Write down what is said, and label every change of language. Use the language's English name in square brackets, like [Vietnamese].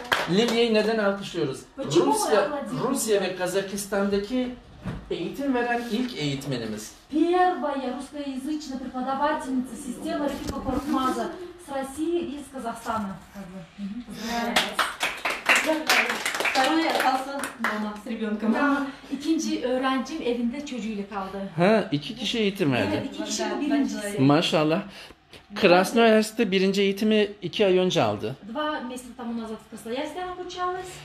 [Turkish] Lilia'yı neden alkışlıyoruz? Rusya ve Kazakistan'daki eğitim veren ilk eğitmenimiz. [Russian] Первая русскоязычная преподавательница системы Рефика Коркмаза с России и из Казахстана. Второй остался дома с ребенком. Да. [Turkish] İkinci öğrencim evinde çocuğuyla kaldı. Ha, iki kişi eğitim verdi. Evet, iki kişi bu birincisi. Maşallah. Krasnoyarsk'ta birinci eğitimi iki ay önce aldı. [Russian] Два месяца тому назад в Красноярске она обучалась.